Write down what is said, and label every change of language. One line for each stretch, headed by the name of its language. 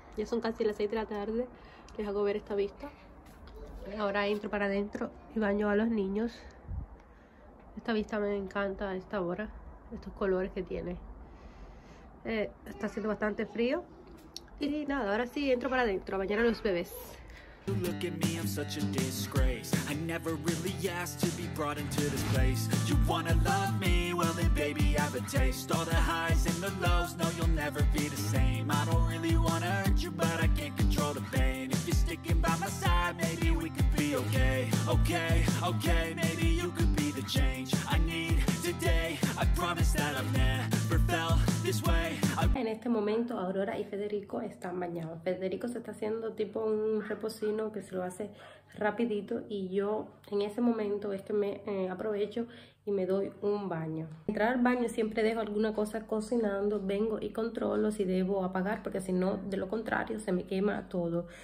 Spanish: Ya son casi las 6 de la tarde. Les hago ver esta vista. Ahora entro para adentro y baño a los niños. Esta vista me encanta a esta hora. Estos colores que tiene. Está haciendo bastante frío. Y nada, ahora sí entro para adentro a bañar a los bebés.
English: Look at me, I'm such a disgrace. I never really asked to be brought into this place. You wanna love me? Well then baby, have a taste. All the highs and the lows, no you'll never be the same. I don't really wanna hurt you, but I can't control the pain. If you're sticking by my side, maybe we could be okay. Okay, okay, maybe you could be the change I need today. I promise that I've never felt this way.
Spanish: En este momento Aurora y Federico están bañados. Federico se está haciendo tipo un reposino que se lo hace rapidito y yo en ese momento es que me aprovecho y me doy un baño. Entrar al baño siempre dejo alguna cosa cocinando, vengo y controlo si debo apagar porque si no, de lo contrario se me quema todo.